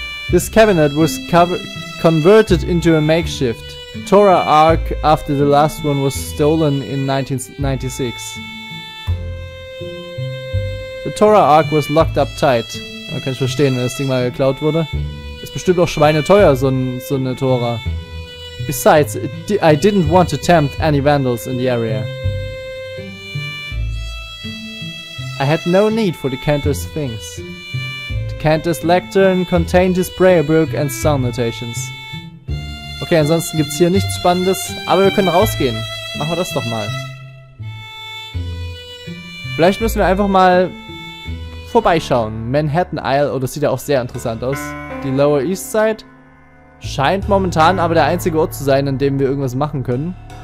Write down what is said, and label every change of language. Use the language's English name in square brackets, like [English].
[English] This cabinet was converted into a makeshift Torah ark after the last one was stolen in 1996. The Torah ark was locked up tight. [German] Man kann es verstehen, wenn das Ding mal geklaut wurde. Ist bestimmt auch schweineteuer, so eine Tora. [English] Besides, I didn't want to tempt any vandals in the area. I had no need for the cantor's things. Cantor's lectern contained his prayer book and song notations. [German] Okay, ansonsten gibt's hier nichts Spannendes, aber wir können rausgehen. Machen wir das doch mal. Vielleicht müssen wir einfach mal vorbeischauen. Manhattan Isle, oh, das sieht ja auch sehr interessant aus. Die Lower East Side scheint momentan aber der einzige Ort zu sein, an dem wir irgendwas machen können.